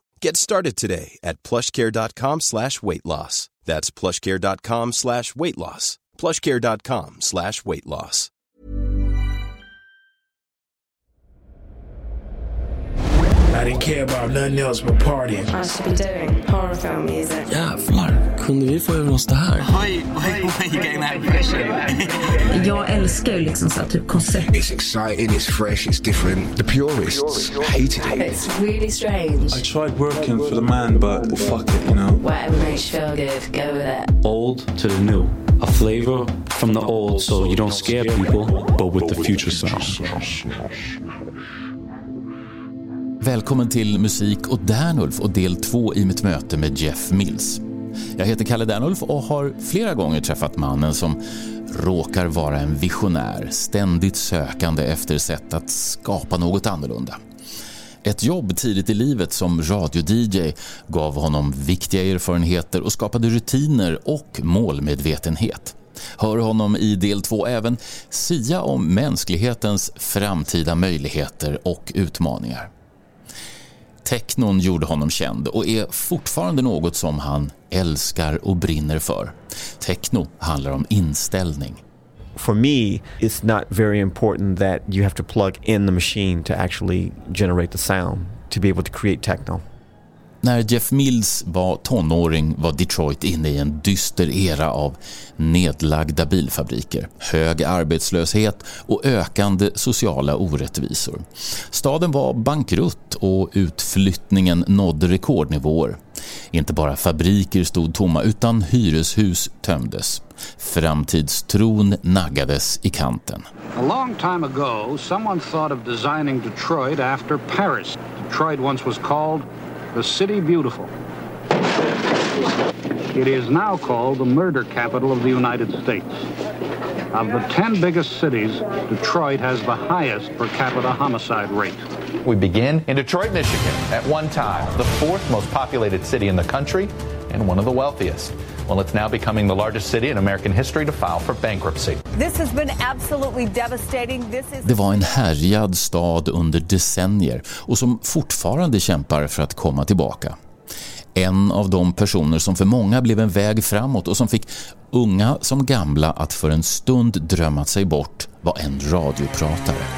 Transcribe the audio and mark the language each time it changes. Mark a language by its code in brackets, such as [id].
[en] Get started today at plushcare.com/weightloss. That's plushcare.com/weightloss. plushcare.com/weightloss. I didn't care about nothing else but partying. I should be doing horror film music. [sv] Yeah, Mark, kunde vi få över oss det här? [en] Why are you getting that impression? [sv] Jag älskar liksom så typ koncept. [en] It's exciting, it's fresh, it's different. The purists hated it. It's really strange. I tried working for the man, but fuck it, you know. Whatever makes you feel good, go with it. Old to the new. A flavor from the old, so you don't scare people, but with the future sound. [sv] Välkommen till Musik och Dernulf och del 2 i mitt möte med Jeff Mills. Jag heter Kalle Dernulf och har flera gånger träffat mannen som råkar vara en visionär, ständigt sökande efter sätt att skapa något annorlunda. Ett jobb tidigt i livet som radio-DJ gav honom viktiga erfarenheter och skapade rutiner och målmedvetenhet. Hör honom i del 2 även sia om mänsklighetens framtida möjligheter och utmaningar. Teknon gjorde honom känd och är fortfarande något som han älskar och brinner för. Techno handlar om inställning. [en] For me, it's not very important that you have to plug in the machine to actually generate the sound to be able to create techno. [sv] När Jeff Mills var tonåring var Detroit inne i en dyster era av nedlagda bilfabriker, hög arbetslöshet och ökande sociala orättvisor. Staden var bankrutt och utflyttningen nådde rekordnivåer. Inte bara fabriker stod tomma utan hyreshus tömdes. Framtidstron naggades i kanten. [en] A long time ago, someone thought of designing Detroit after Paris. Detroit once was called the city beautiful. It is now called the murder capital of the United States. Of the 10 biggest cities, Detroit has the highest per capita homicide rate. We begin in Detroit, Michigan, at one time the fourth most populated city in the country and one of the wealthiest. Well, it's now becoming the largest city in American history to file for bankruptcy. This has been absolutely devastating. [sv] Det var en härjad stad under decennier och som fortfarande kämpar för att komma tillbaka. En av de personer som för många blev en väg framåt och som fick unga som gamla att för en stund drömma sig bort var en radiopratare.